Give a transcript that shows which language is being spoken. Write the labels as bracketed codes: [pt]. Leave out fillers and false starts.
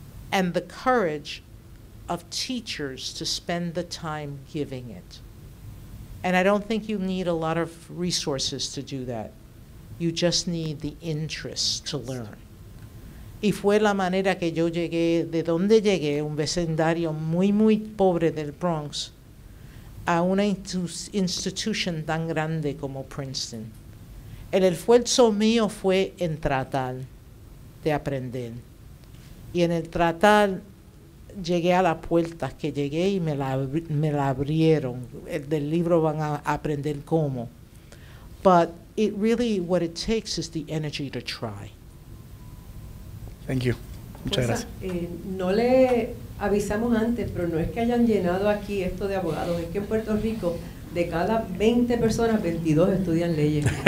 [en] And the courage of teachers to spend the time giving it. And I don't think you need a lot of resources to do that. You just need the interest to learn. [es] Y fue la manera que yo llegué, de donde llegué, un vecindario muy, muy pobre del Bronx, a una institución tan grande como Princeton. El esfuerzo mío fue en tratar de aprender. Y en el tratar, llegué a las puertas que llegué y me la abrieron. El del libro van a aprender cómo. [en] But it really, what it takes is the energy to try. Thank you. [es] Muchas pues, gracias. No le avisamos antes, pero no es que hayan llenado aquí esto de abogados. Es que en Puerto Rico, de cada 20 personas, 22 estudian leyes.